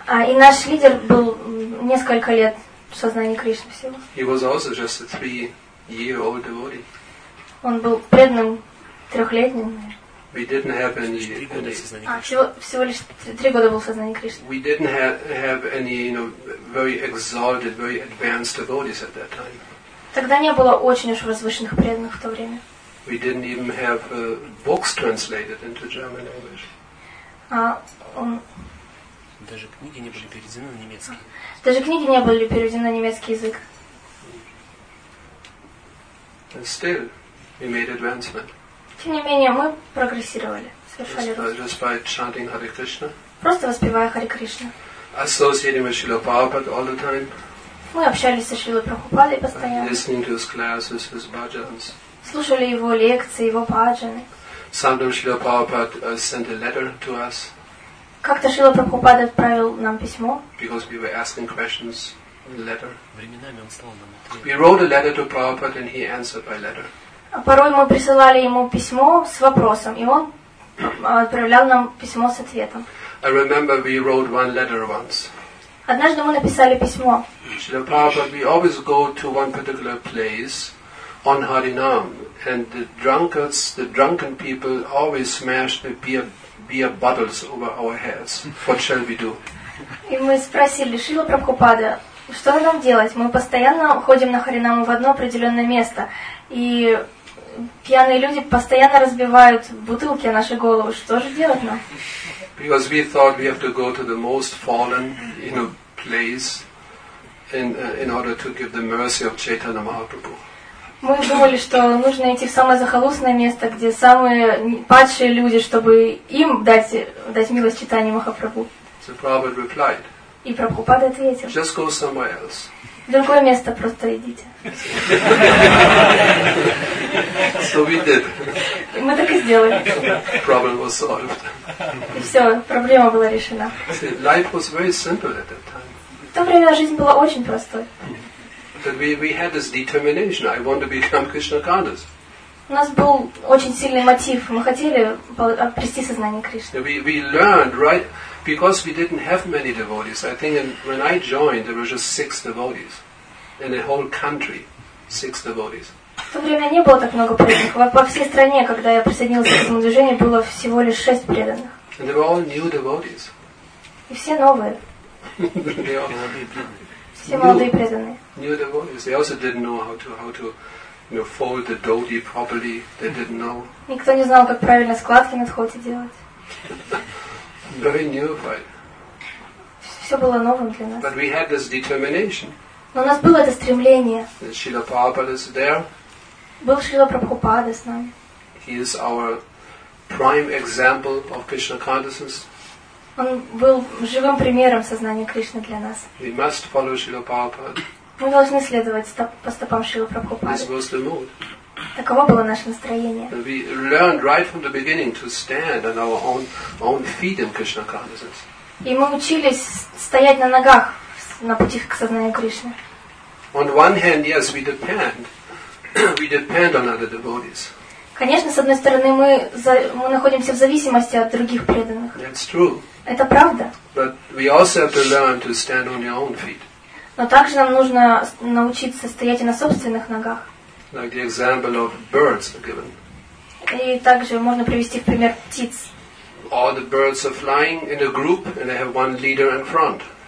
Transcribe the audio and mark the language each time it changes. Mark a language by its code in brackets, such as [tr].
[ru] И наш лидер был несколько лет в сознании Кришны всего. [en] He was also just a 3-year-old devotee. [ru] Он был преданным 3-летним. [en] We didn't have any. [ru] Всего лишь 3 года был в сознании Кришны. [en] We didn't have any, you know, very exalted, very advanced devotees at that time. [ru] Тогда не было очень уж возвышенных преданных в то время. [en] We didn't even have books translated into German English. [ru] Даже книги не были переведены на немецкий. Даже книги не были переведены на немецкий язык. [en] And still, we made advancement. [ru] Тем не менее, мы прогрессировали, совершали рост. [en] Just by chanting Hare Krishna. [ru] Просто воспевая Харе Кришна. [en] Associating with Srila Prabhupada all the time. [ru] Мы общались со Шрилой Прабхупадой постоянно. [en] Listening to his classes, his bhajans. [ru] Слушали его лекции, его бхаджаны. [en] Sometimes Srila Prabhupada sent a letter to us. [ru] Как-то Шрила Прабхупада отправил нам письмо. [en] Because we were asking questions in the letter. [ru] Временами он стал нам ответить. [en] We wrote a letter to Prabhupada and he answered by letter. [ru] Порой мы присылали ему письмо с вопросом, и он отправлял нам письмо с ответом. [en] I remember we wrote one letter once. [ru] Однажды мы написали письмо. [en] Srila Prabhupada, we always go to one particular place on Harinam, and the drunken people always smash the beer bottles over our heads. What shall we do? [ru] И мы спросили Шрилу Прабхупада, что нам делать? Мы постоянно ходим на Харинаму в одно определенное место, и пьяные люди постоянно разбивают бутылки о наши головы. Что же делать нам? [en] Because we thought we have to go to the most fallen, you know, place in order to give the mercy of Chaitanya Mahaprabhu. [ru] Мы думали, что нужно идти в самое захолустное место, где самые падшие люди, чтобы им дать милость Чайтанье Махапрабху. [en] So Prabhupada replied. [ru] И Прабхупада ответил. [en] Just go somewhere else. [ru] В другое место просто идите. [en] So we did. [ru] И мы так и сделали. [en] Problem was solved. [ru] И все, проблема была решена. [en] See, life was very simple at that time. [ru] В то время жизнь была очень простой. [en] That we had this determination. I want to become Krishna conscious. [ru] У нас был очень сильный мотив. Мы хотели обрести сознание Кришны. [en] We learned, right? Because we didn't have many devotees. I think when I joined, there were just 6 devotees. In the whole country, 6 devotees. [ru] В то время не было так много преданных. Во всей стране, когда я присоединился к этому движению, было всего лишь 6 преданных. [en] And they were all new devotees. [ru] И все новые. [en] They all had [ru] Все молодые преданные. [en] New devotees. They also didn't know how to, you know, fold the dhoti properly. They didn't know. [ru] Никто не знал, как правильно складки на дхоти делать. [en] Very new, right? [ru] Все было новым для нас. [en] But we had this determination. [ru] Но у нас было это стремление. [en] Srila Prabhupada is there. [ru] Был Шрила Прабхупада с нами. [en] He is our prime example of Krishna consciousness. [ru] Он был живым примером сознания Кришны для нас. [en] We must follow Srila Prabhupada. [ru] Мы должны следовать по стопам Шрилы Прабхупады. [en] This was the mood. [ru] Таково было наше настроение. [en] We learned right from the beginning to stand on our own feet in Krishna consciousness. [ru] И мы учились стоять на ногах на пути к сознанию Кришны. [en] On one hand, yes, we depend. We depend on other devotees. [ru] Конечно, с одной стороны, мы находимся в зависимости от других преданных. [en] That's true. [ru] Это правда. [en] But we also have to learn to stand on your own feet. [ru] Но также нам нужно научиться стоять и на собственных ногах. [en] Like the example of birds are given. [ru] И также можно привести в пример птиц. [en] All the birds are flying in a group, and they have one leader in front.